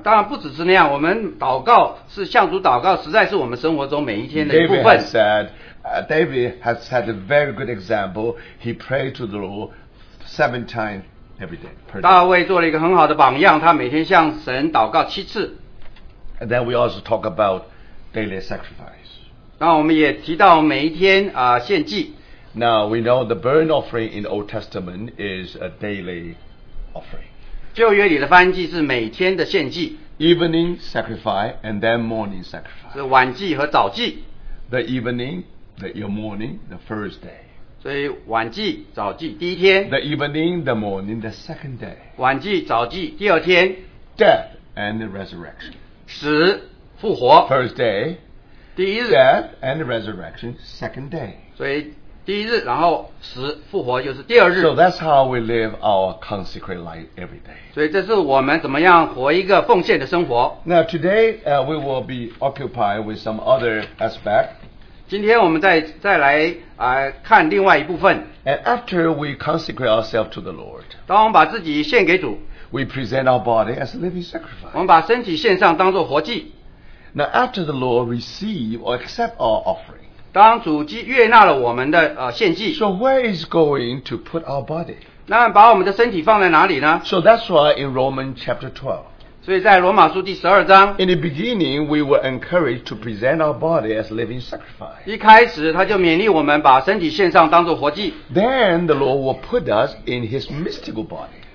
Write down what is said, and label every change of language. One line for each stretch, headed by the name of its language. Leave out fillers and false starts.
Chinese: 当然不只是那样，我们祷告是向主祷告，实在是我们生活中每一天的一部分。
English: David has had a very good example. He prayed to the Lord 7 times every day.
Chinese: 大卫做了一个很好的榜样，他每天向神祷告七次。
English: And then we also talk about daily sacrifice.
Chinese: 那我们也提到每一天献祭。
English: Now we know the burnt offering in the Old Testament is a daily offering.
Chinese: 旧约里的燔祭是每天的献祭。
English: Evening sacrifice and then morning sacrifice.
Chinese: 是晚祭和早祭。
English: The evening, the morning, the first day.
Chinese: 所以晚祭、早祭第一天。
English: The evening, the morning, the second day.
Chinese: 晚祭、早祭第二天。
English: Death and the resurrection.
Chinese: 死、复活。
English: First day, 第一日, death and resurrection, second day.
Chinese: 所以第一日, 然后死, 复活就是第二日,
English: so that's how we live our consecrated life every day.
Chinese: 所以这是我们怎么样活一个奉献的生活。
English: Now today, we will be occupied with some other aspect.
Chinese: 今天我们再来, 看另外一部分。
English: And after we consecrate ourselves to the Lord,
Chinese: 当我们把自己献给主,
English: we present our body as a living sacrifice.
Chinese: 我们把身体献上当作活祭。
English: Now after the Lord receive or accept our offering,
Chinese: 当主接纳了我们的, 献祭,
English: so where is going to put our body?
Chinese: 那把我们的身体放在哪里呢?
English: So that's why in Romans chapter 12,
Chinese: 所以在罗马书第12章,
English: in the beginning, we were encouraged to present our body as a living sacrifice.
Chinese: 一开始他就勉励我们把身体献上当作活祭,
English: then the Lord will put us in his mystical body.